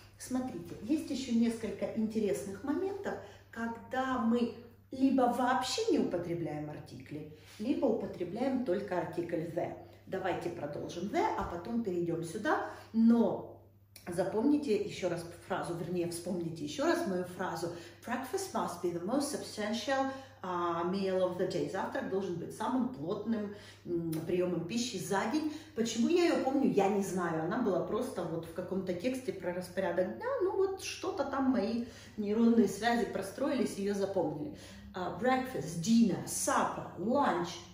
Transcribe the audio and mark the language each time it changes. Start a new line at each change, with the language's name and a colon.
Russian: Смотрите, есть еще несколько интересных моментов, когда мы либо вообще не употребляем артикли, либо употребляем только артикль the. Давайте продолжим the, а потом перейдем сюда. Но запомните еще раз фразу, вернее, вспомните еще раз мою фразу.
English: Breakfast must be the most substantial meal of the day.
Russian: Завтрак должен быть самым плотным приемом пищи за день. Почему я ее помню, я не знаю. Она была просто вот в каком-то тексте про распорядок дня. Ну вот что-то там мои нейронные связи простроились, ее запомнили.
English: Breakfast, dinner, supper, lunch.